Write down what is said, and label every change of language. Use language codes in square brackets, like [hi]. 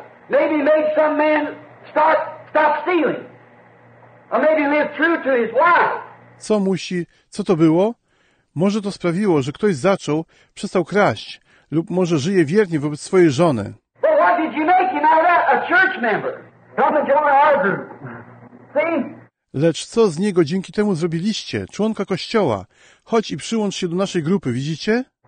[en] Maybe make some man stop stealing. Or maybe live true to his wife. [pl] Co to było? Może to sprawiło, że ktoś zaczął, przestał kraść, lub może żyje wiernie wobec swojej żony. [en] But what did you make him out of? A church member. Coming to our group. See? [pl] Lecz co z niego dzięki temu zrobiliście? Członka kościoła. Chodź i przyłącz się do naszej grupy, widzicie?